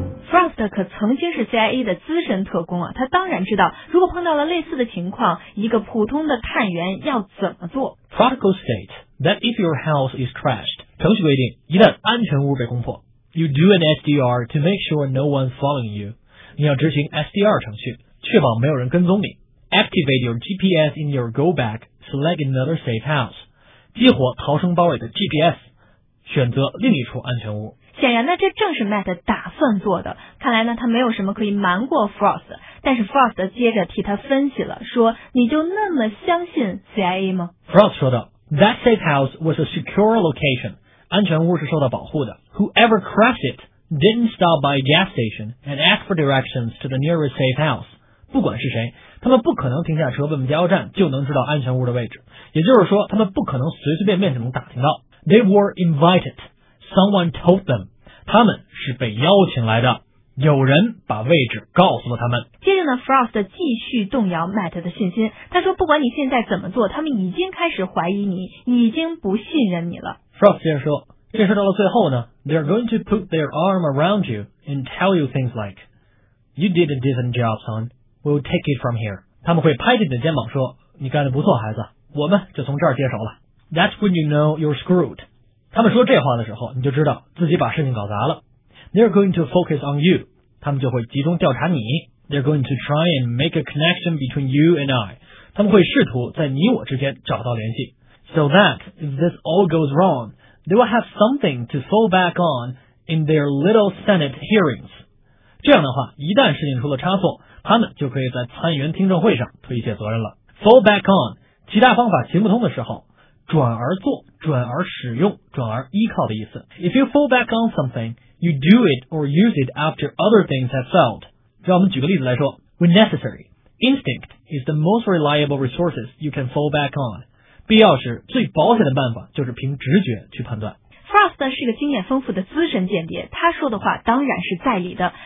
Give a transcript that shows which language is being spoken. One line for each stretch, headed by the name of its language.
Chinese: Frost 可曾经是 CIA 的资深特工啊，他当然知道如果碰到了类似的情况，一个普通的探员要怎么做。
English: Protocol states that if your house is crashed,
Chinese: 程序规定一旦安全屋被攻破，
English: you do an SDR to make sure no one's following you.
Chinese: 你要执行 SDR 程序，确保没有人跟踪你。
English: Activate your GPS in your go bag, select another safe house.
Chinese: 激活逃生包里的 GPS, 选择另一处安全屋。显然呢，这正是 Matt 打算做的。看来呢，他没有什么可以瞒过 Frost。但是 Frost 接着替他分析了，说：“你就那么相信 CIA 吗
English: ？”Frost
Chinese: 说道
English: ：“That safe house was a secure location.
Chinese: 安全屋是受到保护的。
English: Whoever crashed it didn't stop by a gas station and ask for directions to the nearest safe house.
Chinese: 不管是谁，他们不可能停下车问问加油站就能知道安全屋的位置，也就是说他们不可能随随便便就能打听到。
English: They were invited. Someone told them.
Chinese: 他们是被邀请来的，有人把位置告诉了他们。接着呢， Frost 继续动摇 Matt 的信心，他说不管你现在怎么做，他们已经开始怀疑你，已经不信任你了。
English: Frost
Chinese: 接着说，这事到了最后呢，
English: They're going to put their arm around you and tell you things like, You did a decent job, son. We'll take it from here.
Chinese: 他们会拍着你的肩膀说，你干得不错孩子，我们就从这儿接手了。
English: That's when you know you're screwed.
Chinese: 他们说这话的时候，你就知道自己把事情搞砸了。
English: They're going to focus on you.
Chinese: 他们就会集中调查你。
English: They're going to try and make a connection between you and I.
Chinese: 他们会试图在你我之间找到联系。
English: So that if this all goes wrong,They will have something to fall back on in their little Senate hearings.
Chinese: 这样的话，一旦事情出了差错，他们就可以在参议员听证会上推卸责任了。 Fall back on, 其他方法行不通的时候，转而做，转而使用，转而依靠的意思。
English: If you fall back on something, you do it or use it after other things have failed.
Chinese: 让我们举个例子来说，
English: When necessary, instinct is the most reliable resources you can fall back on.
Chinese: 必要时，最保险的办法就是凭直觉去判断。 Frost 是个经验丰富的资深间谍，他说的话当然是在理的。